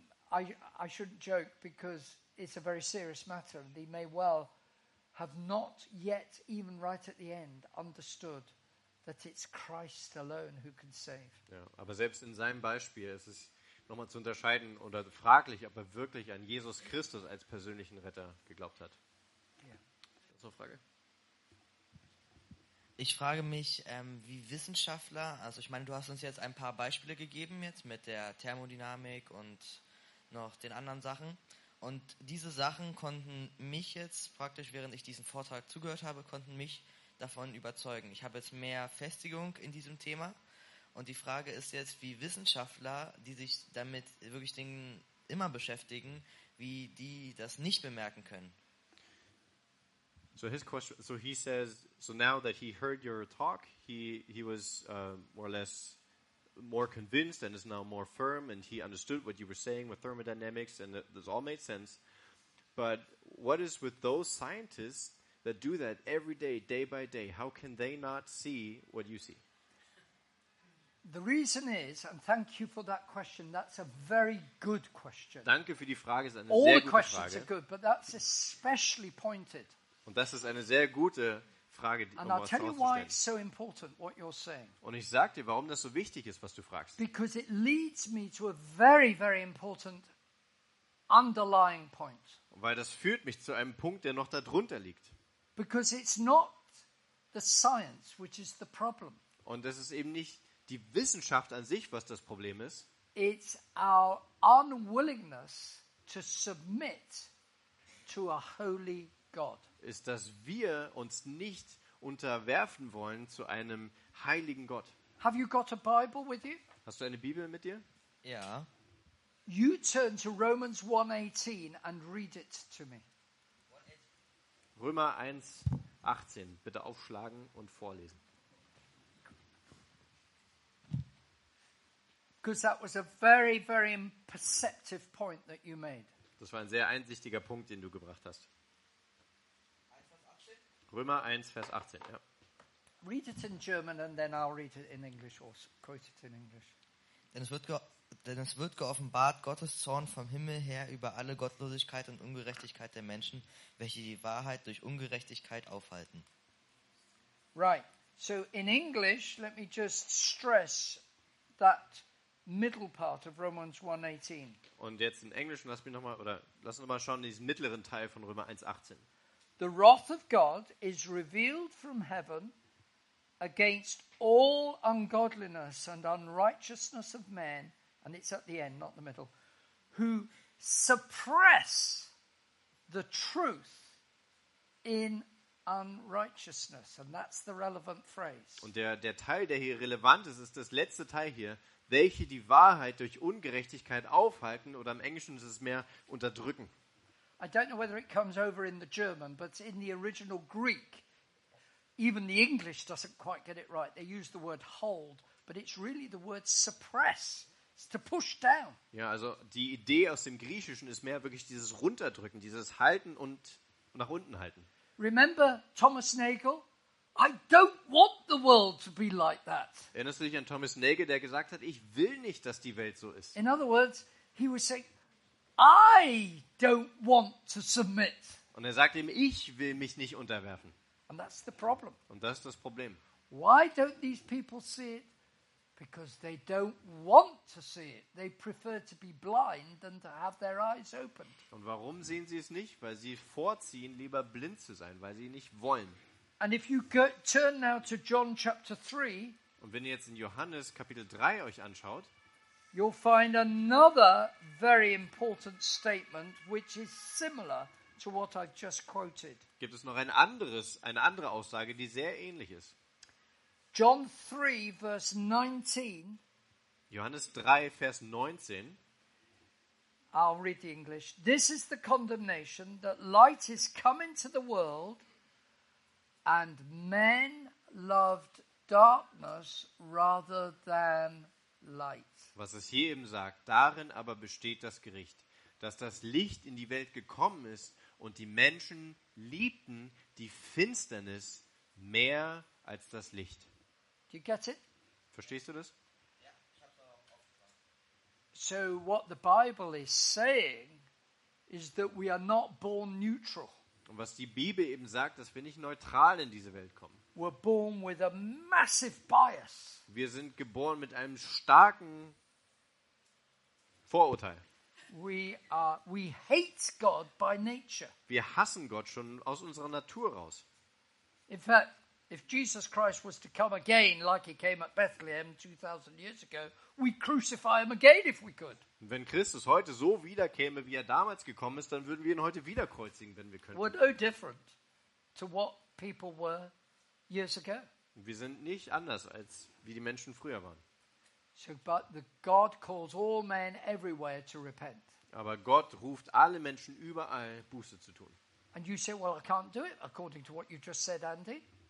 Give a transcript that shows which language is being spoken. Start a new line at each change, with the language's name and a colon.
English: I shouldn't joke because it's a very serious matter and he may well have not yet even right at the end understood that it's Christ alone who can save.
German: Ja, aber selbst in seinem Beispiel ist es nochmal zu unterscheiden oder fraglich, ob er wirklich an Jesus Christus als persönlichen Retter geglaubt hat. Ja. So, Frage. Ich frage mich, wie Wissenschaftler, also ich meine, du hast uns jetzt ein paar Beispiele gegeben jetzt mit der Thermodynamik und noch den anderen Sachen. Und diese Sachen konnten mich jetzt praktisch, während ich diesen Vortrag zugehört habe, konnten mich davon überzeugen. Ich habe jetzt mehr Festigung in diesem Thema. Und die Frage ist jetzt, wie Wissenschaftler, die sich damit wirklich Dingen immer beschäftigen, wie die das nicht bemerken können.
English: So his question. So he says. So now that he heard your talk, he was more or less more convinced and is now more firm, and he understood what you were saying with thermodynamics, and this all made sense. But what is with those scientists that do that every day, day by day? How can they not see what you see? The reason is, and thank you for that question. That's a very good question.
German: Danke für die Frage. Ist eine
English: all
German: sehr
English: the questions
German: gute Frage.
English: Are good, but that's especially pointed.
German: Und das ist eine sehr gute Frage, um
English: and I'll tell you why it's so important what you're saying.
German: Und ich sag dir, warum das so wichtig ist, was du fragst.
English: Because it leads me to a very, very important underlying point.
German: Weil das führt mich zu einem Punkt, der noch darunter liegt.
English: Because it's not the science which is the problem.
German: Und das ist eben nicht die Wissenschaft an sich, was das Problem ist.
English: It's our unwillingness to submit to a holy God.
German: Ist, dass wir uns nicht unterwerfen wollen zu einem heiligen Gott.
English: Have you got a Bible with you?
German: Hast du eine Bibel mit dir? Ja.
English: You turn to Romans 1:18 and read it to me.
German: Römer 1:18, bitte aufschlagen und vorlesen.
English: Because that was a very, very perceptive point that you made.
German: Das war ein sehr einsichtiger Punkt, den du gebracht hast. Römer 1, Vers 18, ja.
English: Read it in German and then I'll read it in English or quote it in English.
German: Denn es wird geoffenbart, Gottes Zorn vom Himmel her über alle Gottlosigkeit und Ungerechtigkeit der Menschen, welche die Wahrheit durch Ungerechtigkeit aufhalten.
English: Right, so in English, let me just stress that middle part of Romans 1:18.
German: Und jetzt in Englisch, lass uns nochmal schauen, diesen mittleren Teil von Römer 1:18.
English: The wrath of God is revealed from heaven against all ungodliness and unrighteousness of men, and it's at the end, not the middle, who suppress the truth in unrighteousness. And that's the relevant phrase.
German: Und der Teil, der hier relevant ist, ist das letzte Teil hier, welche die Wahrheit durch Ungerechtigkeit aufhalten, oder im Englischen ist es mehr unterdrücken.
English: I don't know whether it comes over in the German, but in the original Greek, even the English doesn't quite get it right. They use the word hold, but it's really the word suppress. It's to push down.
German: Ja, also die Idee aus dem Griechischen ist mehr wirklich dieses Runterdrücken, dieses Halten und nach unten halten.
English: Remember Thomas Nagel? I don't want the world to be like that.
German: Erinnerst du dich an Thomas Nagel, der gesagt hat, ich will nicht, dass die Welt so ist?
English: In other words, he was saying, I don't want to submit.
German: Und er sagt ihm, ich will mich nicht unterwerfen.
English: And that's the problem.
German: Und das ist das Problem.
English: Why don't these people see it? Because they don't want to see it. They prefer to be blind than to have their eyes opened.
German: Und warum sehen sie es nicht? Weil sie vorziehen, lieber blind zu sein, weil sie nicht wollen.
English: And if you go, turn now to John chapter 3.
German: Und wenn ihr jetzt in Johannes Kapitel 3 euch anschaut,
English: you'll find another very important statement which is similar to what I've just quoted.
German: Gibt es noch eine andere Aussage, die sehr ähnlich ist?
English: John 3, verse 19.
German: Johannes 3, Vers 19.
English: I'll read the English. This is the condemnation, that light is come into the world and men loved darkness rather than light.
German: Was es hier eben sagt, darin aber besteht das Gericht, dass das Licht in die Welt gekommen ist und die Menschen liebten die Finsternis mehr als das Licht.
English: Do you get it?
German: Verstehst du das?
English: So what the Bible is saying is that we are not born neutral.
German: Und was die Bibel eben sagt, dass wir nicht neutral in diese Welt kommen.
English: We're born with a massive bias.
German: Wir sind geboren mit einem starken Vorurteil.
English: We hate God by nature.
German: Wir hassen Gott schon aus unserer Natur raus.
English: In fact, if Jesus Christ was to come again like he came at Bethlehem 2000 years ago, we'd crucify him again if we could.
German: Wenn Christus heute so wiederkäme, wie er damals gekommen ist, dann würden wir ihn heute wieder kreuzigen, wenn wir könnten.
English: We're no different to what people were years ago.
German: Wir sind nicht anders als wie die Menschen früher waren.
English: So, but the God calls all men everywhere to repent.
German: Aber Gott ruft alle Menschen überall Buße zu tun.
English: And you say, well, I can't do it according to what you just said, Andy.